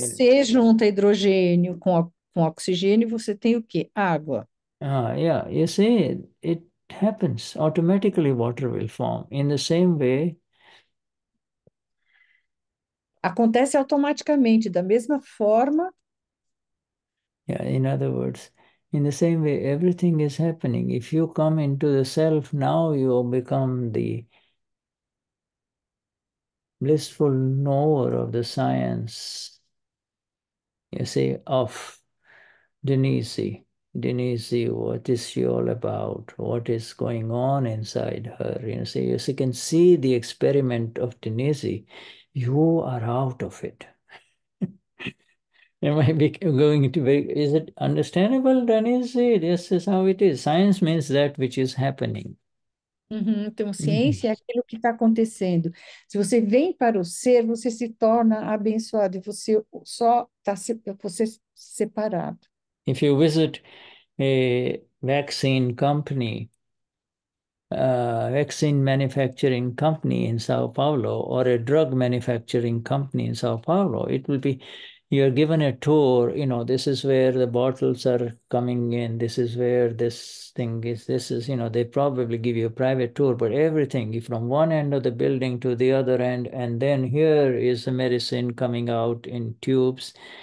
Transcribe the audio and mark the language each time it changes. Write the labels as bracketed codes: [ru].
[pt] se você junta hidrogênio com oxigênio, você tem o quê? Água. [en] Yeah, you see, it. Happens automatically, water will form in the same way. [pt] Acontece automaticamente, da mesma forma. [en] Yeah, in other words, in the same way, everything is happening. If you come into the self now, you become the blissful knower of the science, you see, of Denise. Denise, what is she all about? What is going on inside her? You know, so you can see the experiment of Denise. You are out of it. Am I going to be? Is it understandable, Denise? This is how it is. Science means that which is happening. [pt] Então, ciência é aquilo que está acontecendo. Se você vem para o ser, você se torna abençoado e você só está se, você separado. [en] If you visit a vaccine company, vaccine manufacturing company in São Paulo, or a drug manufacturing company in São Paulo, it will be, you're given a tour, you know, this is where the bottles are coming in, this is where this thing is, this is, you know, they probably give you a private tour, but everything from one end of the building to the other end, and then here is the medicine coming out in tubes.